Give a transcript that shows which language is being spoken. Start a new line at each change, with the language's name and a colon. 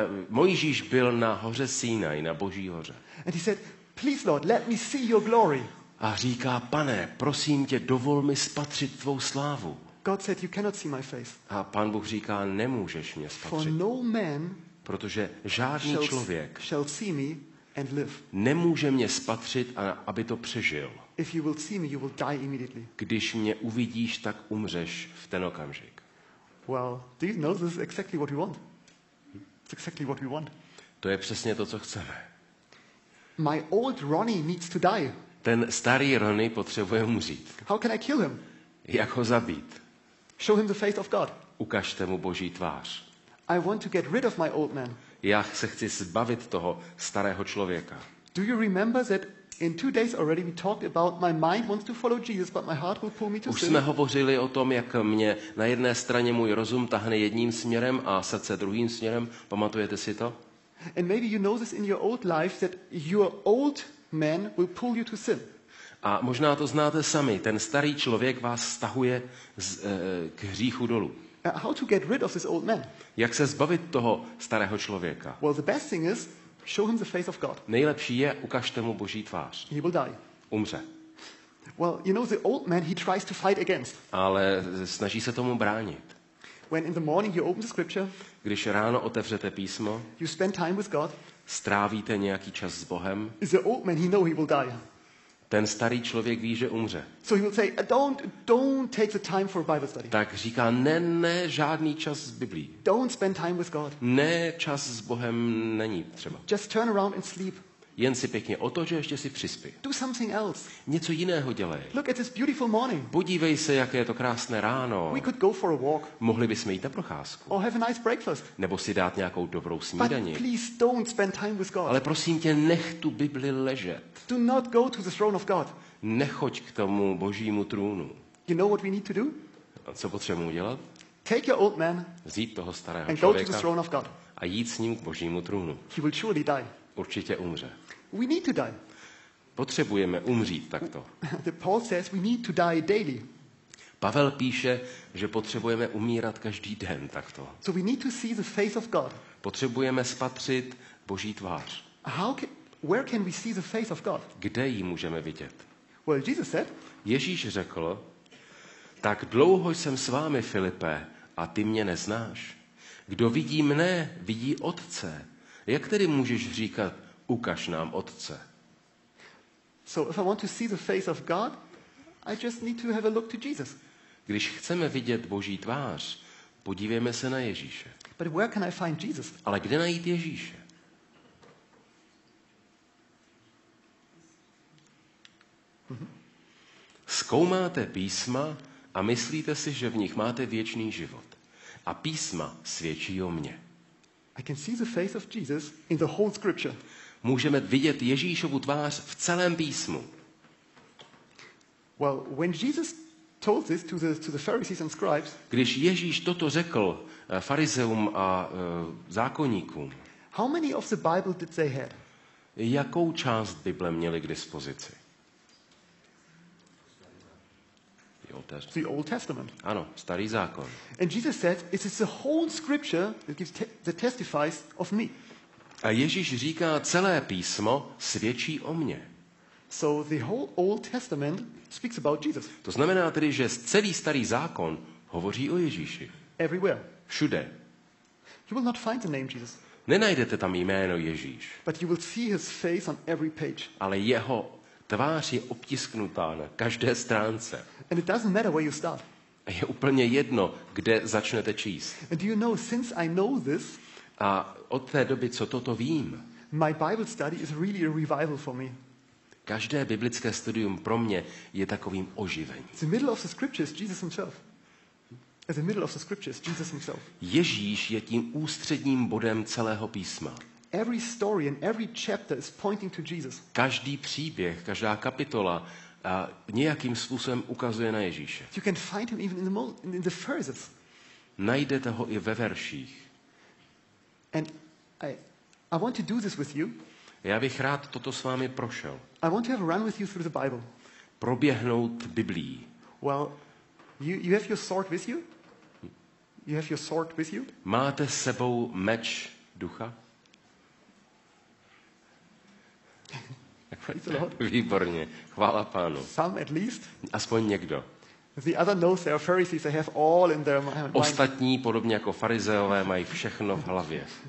Czech: Mojžíš byl na hoře Sinai, na Boží hoře.
English: And he said, please Lord, let me see your glory.
Czech: A říká, pane, prosím tě, dovol mi spatřit tvou slávu.
English: God said, you cannot see my face.
Czech: A pan Bůh říká, nemůžeš mě spatřit.
English: For no man,
Czech: protože žádný člověk
English: shall see me and live.
Czech: Nemůže mě spatřit, aby to přežil.
English: If you will see me, you will die immediately.
Czech: Když mě uvidíš, tak umřeš v ten okamžik.
English: Well, do you know this is exactly what we want? It's exactly what we want.
Czech: To je přesně to, co chceme.
English: My old Ronnie needs to die.
Czech: Ten starý Ronnie potřebuje umřít.
English: How can I kill him?
Czech: Jak ho zabít?
English: Show him the face of God.
Czech: Ukažte mu Boží tvář.
English: I want to get rid of my old man.
Czech: Já se chci zbavit toho starého člověka.
English: Do you remember that in 2 days already we talked about my mind wants to follow Jesus, but my heart will pull me to sin?
Czech: Už jsme hovořili o tom, jak mě na jedné straně můj rozum tahne jedním směrem a srdce druhým směrem. Pamatujete si to?
English: And maybe you know this in your old life that your old man will pull you to sin.
Czech: A možná to znáte sami, ten starý člověk vás stahuje k hříchu dolů.
English: How to get rid of this old man?
Czech: Jak se zbavit toho starého člověka?
English: Well, the best thing is show him the face of God.
Czech: Nejlepší je ukažte mu Boží tvář.
English: He will die.
Czech: Umře.
English: Well, you know the old man he tries to fight against.
Czech: Ale snaží se tomu bránit.
English: When in the morning you open the scripture,
Czech: když ráno otevřete písmo,
English: you spend time with God,
Czech: strávíte nějaký čas s Bohem.
English: Is the old man, he know he will die.
Czech: Ten starý člověk ví, že umře.
English: So he will say, don't take the time for a Bible study.
Czech: Tak říká, ne, žádný čas s Biblí.
English: Don't spend time with God.
Czech: Ne, čas s Bohem není třeba.
English: Just turn around and sleep.
Czech: Jen si pěkně otoč, že ještě si přispí.
English: Do something else.
Czech: Něco jiného dělej.
English: Look at this beautiful morning.
Czech: Podívej se, jaké je to krásné ráno.
English: We could go for a walk.
Czech: Mohli bychom jít na procházku.
English: Or have a nice breakfast.
Czech: Nebo si dát nějakou dobrou snídani.
English: But please don't spend time with God.
Czech: Ale prosím tě, nech tu Bibli ležet.
English: Do not go to the throne of God.
Czech: Nechoď k tomu Božímu trůnu.
English: You know what we need to do?
Czech: A co potřebujeme udělat?
English: Take your old man.
Czech: Vzít toho starého
English: and
Czech: člověka.
English: Go to the throne of God.
Czech: A jít s ním k Božímu trůnu.
English: He will surely die.
Czech: Určitě umře.
English: We need to die.
Czech: Potřebujeme umřít takto.
English: The Paul says we need to die daily.
Czech: Pavel píše, že potřebujeme umírat každý den takto.
English: So we need to see the face of God.
Czech: Potřebujeme spatřit Boží tvář.
English: Where can we see the face of God?
Czech: Kde ji můžeme vidět?
English: Well, Jesus said,
Czech: Ježíš řekl, tak dlouho jsem s vámi, Filipe, a ty mě neznáš. Kdo vidí mne, vidí Otce. Jak tedy můžeš říkat, ukaž nám Otce?
English: So if I want to see the face of God, I just need to have a look to Jesus.
Czech: Když chceme vidět Boží tvář, podívejme se na Ježíše.
English: But where can I find Jesus?
Czech: Ale kde najít Ježíše? Zkoumáte písma a myslíte si, že v nich máte věčný život. A písma svědčí o mně.
English: I can see the face of Jesus in the whole scripture.
Czech: Můžeme vidět Ježíšovu tvář v celém písmu.
English: Well, when Jesus told this to the Pharisees and scribes,
Czech: když Ježíš toto řekl farizeům a zákonníkům.
English: How many of the Bible did they had?
Czech: Jakou část Bible měli k dispozici?
English: The Old Testament.
Czech: Ano, starý zákon.
English: And Jesus said, it is the whole scripture that gives that testifies of me.
Czech: A Ježíš říká, celé písmo svědčí o mně.
English: So the whole Old Testament speaks about Jesus.
Czech: To znamená tedy, že celý starý zákon hovoří o Ježíši.
English: Everywhere.
Czech: Všude.
English: You will not find the name Jesus.
Czech: Nenajdete tam jméno Ježíš.
English: But you will see his face on every page.
Czech: Ale jeho tvář je obtisknutá na každé stránce.
English: And it doesn't matter where you start.
Czech: A je úplně jedno, kde začnete číst.
English: And do you know, since I know this,
Czech: a od té doby, co toto vím,
English: my Bible study is really a revival for me.
Czech: Každé biblické studium pro mě je takovým oživením.
English: The middle of the scriptures, Jesus himself. The middle of the scriptures, Jesus himself.
Czech: Ježíš je tím ústředním bodem celého písma.
English: Every story and every chapter is pointing to Jesus.
Czech: Každý příběh, každá kapitola nějakým způsobem ukazuje na Ježíše.
English: You can find him even in the verses.
Czech: Najdete ho i ve verších.
English: And I want to do this with you.
Czech: Já bych rád toto s vámi prošel.
English: I want to have a run with you through the Bible.
Czech: Proběhnout Biblí.
English: Well, you have your sword with you? You have your sword with you?
Czech: Máte s sebou meč ducha? Výborně, chvála Pánu.
English: Some at least.
Czech: Aspoň někdo.
English: The other knows they are Pharisees. They have all in their mind.
Czech: Ostatní, podobně jako farizeové, mají všechno v hlavě.